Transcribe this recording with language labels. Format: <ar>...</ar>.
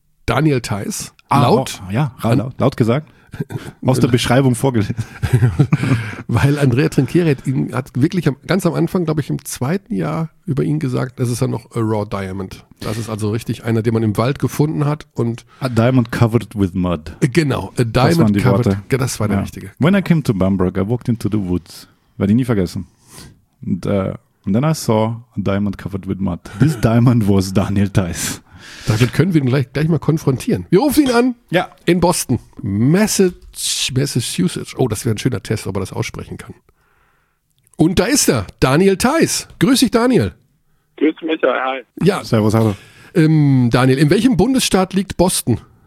<de>Daniel Theis. Laut gesagt. Aus der Beschreibung vorgelesen. Weil Andrea Trinkieri hat wirklich ganz am Anfang, glaube ich, im zweiten Jahr über ihn gesagt, das ist ja noch</de> <en>a raw diamond.</en> <de>Das ist also richtig einer, den man im Wald gefunden hat. Und</de> <en>a diamond covered with mud.</en> <de>Genau,</de> <en>a diamond das covered. Worte.</en> <de>Das war der richtige.</de> <en>When I came to Bamberg, I walked into the woods.</en> <de>Werde ich nie vergessen.</de> <en>And then I saw a diamond covered with mud. This diamond was Daniel Theis.</en> <de>Damit können wir ihn gleich mal konfrontieren. Wir rufen ihn an. Ja. In Boston. Massachusetts. Oh, das wäre ein schöner Test, ob er das aussprechen kann. Und da ist er, Daniel Theis. Grüß dich, Daniel. Grüß mich, hi. Ja. Servus, hallo. Daniel, in welchem Bundesstaat liegt Boston?</de>